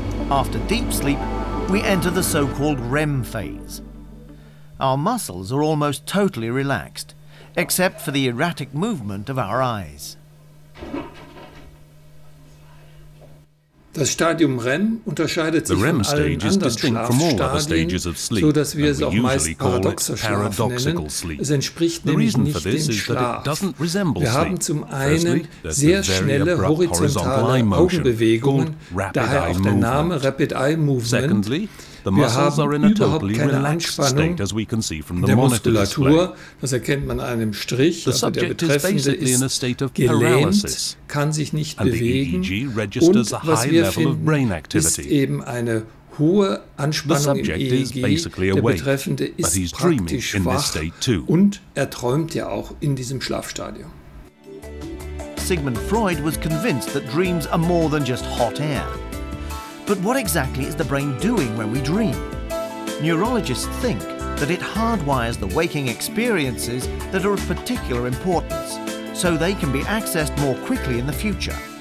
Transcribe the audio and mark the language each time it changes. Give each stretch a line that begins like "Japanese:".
English: After deep sleep, we enter the so-called REM phase. Our muscles are almost totally relaxed, except for the erratic movement of our eyes.
German: Das Stadium REM unterscheidet sich von allen anderen Schlafstadien, sodass wir es auch meist paradoxer Schlaf nennen. Es entspricht nämlich nicht dem Schlaf. Wir haben zum einen sehr schnelle horizontale Augenbewegungen, daher auch der Name Rapid Eye Movement. Wir haben überhaupt keine Anspannung der Muskulatur, das erkennt man an einem Strich, aber der Betreffende ist gelähmt, kann sich nicht bewegen und was wir finden, ist eben eine hohe Anspannung im EEG, der Betreffende ist praktisch wach und er träumt ja auch in diesem Schlafstadium.
English: Sigmund Freud was convinced that dreams are more than just hot air. But what exactly is the brain doing when we dream? Neurologists think that it hardwires the waking experiences that are of particular importance, so they can be accessed more quickly in the future.